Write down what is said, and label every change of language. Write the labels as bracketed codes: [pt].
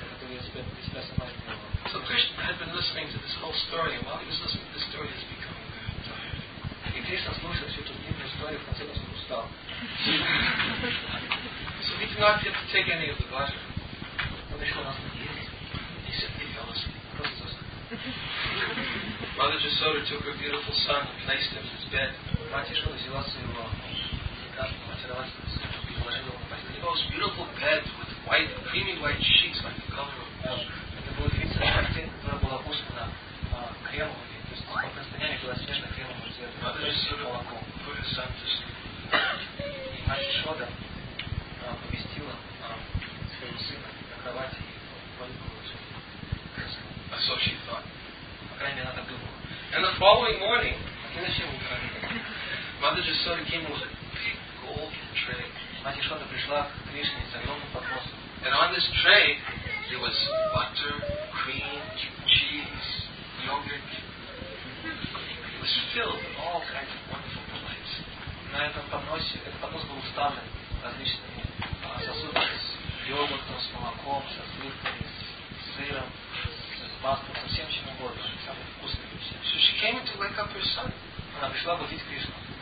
[en] So Krishna had been listening to this whole story, and while he was listening to this story, he was becoming tired. [ru] И Кришна слушал всю эту длинную историю, в конце концов устал. [en] So he did not get to take any of the butter. [ru] Он еще нас не ел. [en] He fell asleep. Mother Jasoda took her beautiful son and placed him in his bed. [ru] Мать Ишода взяла своего прекрасного очаровательного сына. [en] The most beautiful bed with white, creamy white sheets like the color of milk. [ru] Это было длинное постель, которое было устлано кремовыми, то есть под простынями было свежее кремовое цвета. [en] Mother Jasoda put her son to sleep. [ru] И мать Ишода поместила своего сына на кровати и подушку. [en] So she thought. [ru] По крайней мере, она так думала. [en] And the following morning, [ru] следующее утро, [en] Mother Jasoda came with a big golden tray. [ru] Мать Ишода пришла к Кришне с огромным подносом. [en] And on this tray there was butter, cream, cheese, yogurt. It was filled with all kinds of wonderful delights. [ru] На этом подносе этот поднос был уставлен различными сосудами с йогуртом, с молоком, со сливками, с сыром, с маслом, со всем чем угодно, самым вкусным вещи. [en] So she came to wake up her son. [ru] Она пришла будить Кришну.